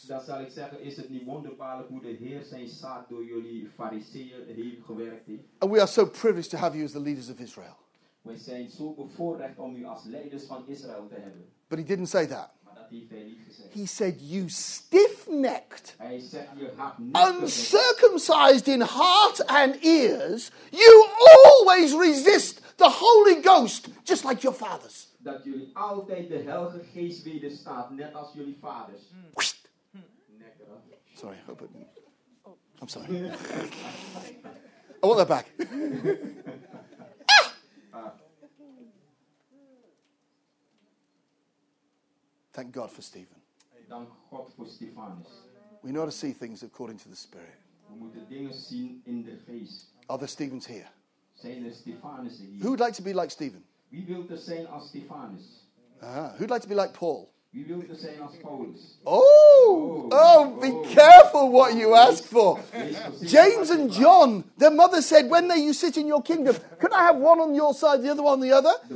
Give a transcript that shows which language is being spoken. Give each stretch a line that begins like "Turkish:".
Dutch: Dan zal ik zeggen, is het niet wonderbaarlijk hoe de Heer zijn zaad door jullie fariseeën heen gewerkt heeft.
English: And we are so privileged to have you as the leaders of Israel.
Dutch: We zijn zo bevoorrecht om u als leiders van Israël te hebben.
English: But he didn't say that.
Dutch: Maar dat heeft hij niet gezegd.
English: He said, you stiff-necked.
Dutch: Hij zegt, je hard-necked.
English: Uncircumcised in heart and ears. You always resist the Holy Ghost, just like your fathers.
Dutch: Dat jullie altijd de Heilige Geest wederstaat, net als jullie vaders. Whist.
English: Sorry, I hope it didn't. Oh. I'm sorry. I want that back. Thank God for Stephen.
Dutch: Dank God voor Stefanus.
English: We know how to see things according to the Spirit.
Dutch: We moeten dingen zien in de geest.
English: Are there Stephens here?
Dutch: Zijn er Stefanus hier?
English: Who would like to be like Stephen?
Dutch: Wie wil te zijn als Stefanus?
English: Who'd like to be like Paul?
Dutch: Wie wil te zijn als Paulus?
English: Careful what you ask for. James and John, their mother said, when you sit in your kingdom, could I have one on your side, the other one on the other?